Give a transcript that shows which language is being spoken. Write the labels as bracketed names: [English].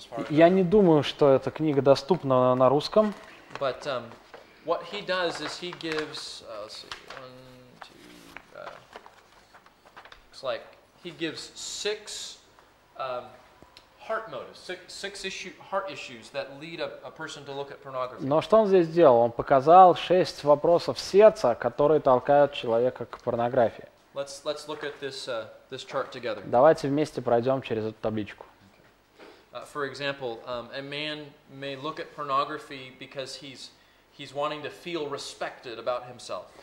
[Russian] Я не думаю, что эта книга доступна на русском. [English] But what he does is he gives, let's see, one, two, looks like he gives six heart motives, six issue, heart issues that lead a person to look at pornography. [Russian] Но что он здесь сделал? Он показал шесть вопросов сердца, которые толкают человека к порнографии. [English] Let's look at this chart together. [Russian] Давайте вместе пройдем через эту табличку. [English] For example, a man may look at pornography because he's wanting to feel respected about himself.